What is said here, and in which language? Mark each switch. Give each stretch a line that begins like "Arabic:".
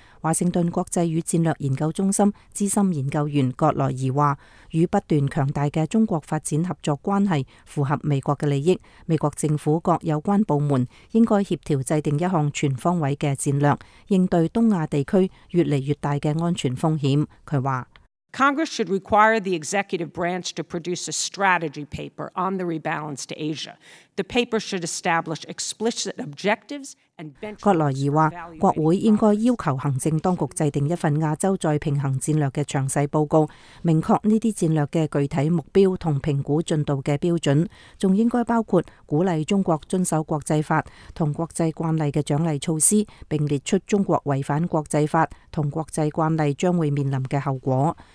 Chinese: 华盛顿国际与战略研究中心资深研究员葛莱仪说，与不断强大的中国发展合作关系符合美国的利益，美国政府各有关部门应该协调制定一项全方位的战略，应对东亚地区越来越大的安全风险。他说，
English: Congress should require the executive branch to produce a strategy paper on the rebalance to Asia. The paper should establish explicit objectives and benchmarks.
Chinese: 葛莱仪说，国会应该要求行政当局制定一份亚洲再平衡战略的详细报告，明确这些战略的具体目标和评估进度的标准，还应该包括鼓励中国遵守国际法和国际惯例的奖励措施，并列出中国违反国际法和国际惯例将会面临的后果。